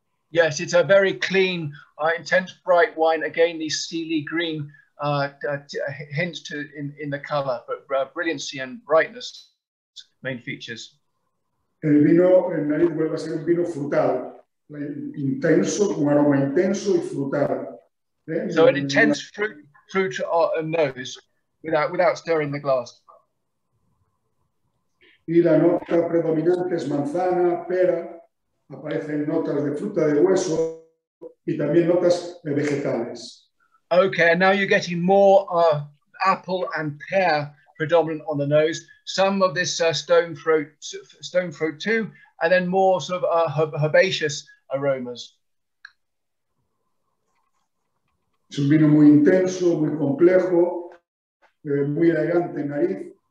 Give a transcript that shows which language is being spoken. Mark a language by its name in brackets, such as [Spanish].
[English] Yes, it's a very clean, intense, bright wine, again, the steely green. Hints to in the color, but brilliancy and brightness, main features. [Spanish] El vino en nariz vuelve a ser un vino frutal, intenso, un aroma intenso y frutal. [English] So an intense fruit nose, without stirring the glass. [Spanish] y la nota predominante es manzana, pera, aparecen notas de fruta de hueso y también notas de vegetales. [English] Okay, and now you're getting more apple and pear predominant on the nose, some of this stone fruit too, and then more sort of herbaceous aromas. [Spanish] Es un vino muy intenso, muy complejo, muy elegante en nariz.